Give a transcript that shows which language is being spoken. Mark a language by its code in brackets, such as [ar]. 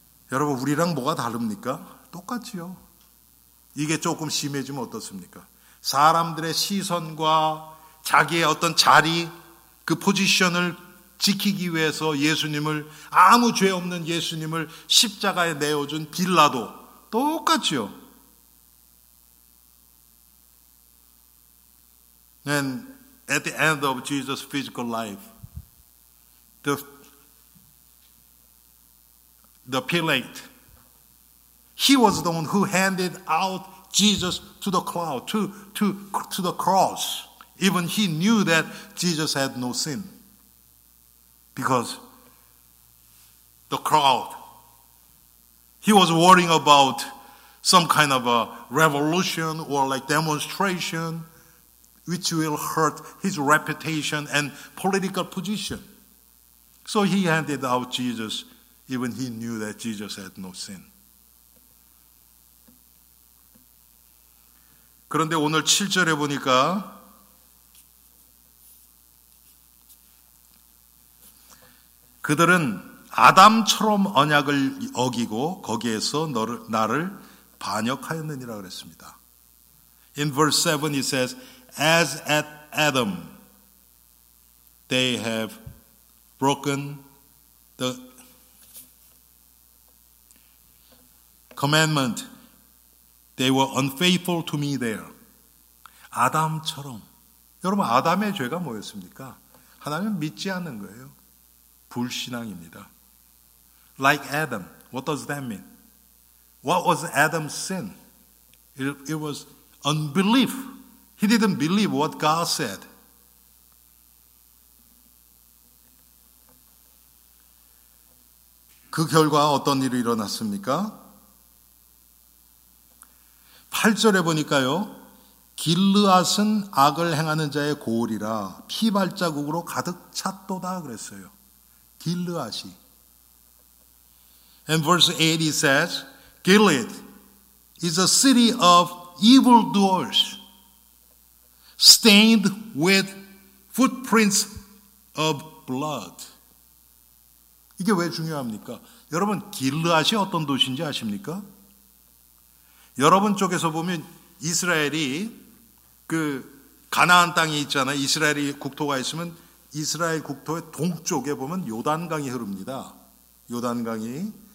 [ko] 여러분 우리랑 뭐가 다릅니까? 똑같지요. 이게 조금 심해지면 어떻습니까? 사람들의 시선과 자기의 어떤 자리, 그 포지션을 지키기 위해서 예수님을 아무 죄 없는 예수님을 십자가에 내어준 빌라도 똑같지요. [en] And at the end of Jesus' physical life, the Pilate. He was the one who handed out Jesus to the cross, to the cross. Even he knew that Jesus had no sin. Because the crowd, he was worrying about some kind of a revolution or like demonstration which will hurt his reputation and political position. So he handed out Jesus. Even he knew that Jesus had no sin. [ko] 그런데 오늘 7절에 보니까 그들은 아담처럼 언약을 어기고 거기에서 나를 반역하였느니라 그랬습니다. [en] In verse 7 it says, As at Adam, they have broken the commandment. They were unfaithful to me there. [ko] 아담처럼. 여러분, 아담의 죄가 뭐였습니까? 하나님을 믿지 않는 거예요. 불신앙입니다. [en] Like Adam. What does that mean? What was Adam's sin? It was unbelief. He didn't believe what God said. [ko] 그 결과 어떤 일이 일어났습니까? 8절에 보니까요. 길르앗은 악을 행하는 자의 고을이라 피발자국으로 가득 찼도다 그랬어요. 길르앗이. [en] And verse 8 it says, Gilead is a city of evildoers, stained with footprints of blood. [ko] 이게 왜 중요합니까? 여러분, 길르앗이 어떤 도시인지 아십니까? 여러분 쪽에서 보면 이스라엘이 그 가나안 땅이 있잖아요. 이스라엘이 국토가 있으면 이스라엘 국토의 동쪽에 보면 요단강이 흐릅니다. 요단강이.